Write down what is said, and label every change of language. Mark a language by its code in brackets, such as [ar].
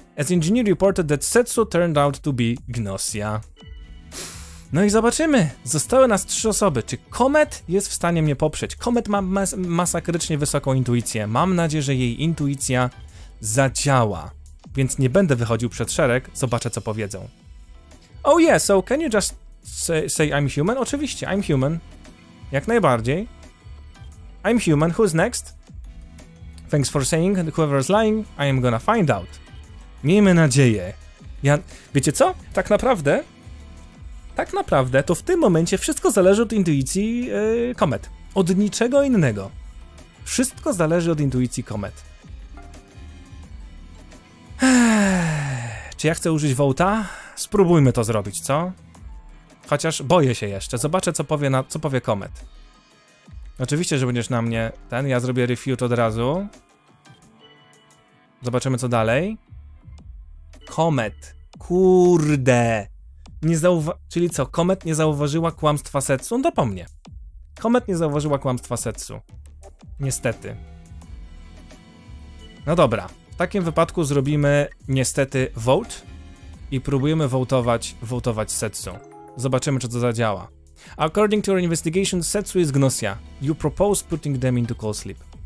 [en] As engineer reported that Setsu turned out to be Gnosia. [pl] No i zobaczymy. Zostały nas trzy osoby. Czy Comet jest w stanie mnie poprzeć? Comet ma masakrycznie wysoką intuicję. Mam nadzieję, że jej intuicja zadziała. Więc nie będę wychodził przed szereg. Zobaczę, co powiedzą. [en] Oh yeah, so can you just say I'm human? [pl] Oczywiście, [en] I'm human. [pl] Jak najbardziej. [en] I'm human, who's next? Thanks for saying, whoever's lying, I am gonna find out. [pl] Miejmy nadzieję. Ja, wiecie co? Tak naprawdę, to w tym momencie wszystko zależy od intuicji Comet. Od niczego innego. Wszystko zależy od intuicji Comet. Czy ja chcę użyć Vota? Spróbujmy to zrobić, co? Chociaż boję się jeszcze. Zobaczę, co powie Comet. Oczywiście, że będziesz na mnie ten. Ja zrobię refute od razu. Zobaczymy, co dalej. Comet. Kurde. Czyli co? Comet nie zauważyła kłamstwa Setsu? No to po mnie. Comet nie zauważyła kłamstwa Setsu. Niestety. No dobra. W takim wypadku zrobimy niestety vote i próbujemy votować Setsu. Zobaczymy, czy to zadziała. [en] According to your investigation, Setsu is Gnosia. You propose putting them into cold sleep.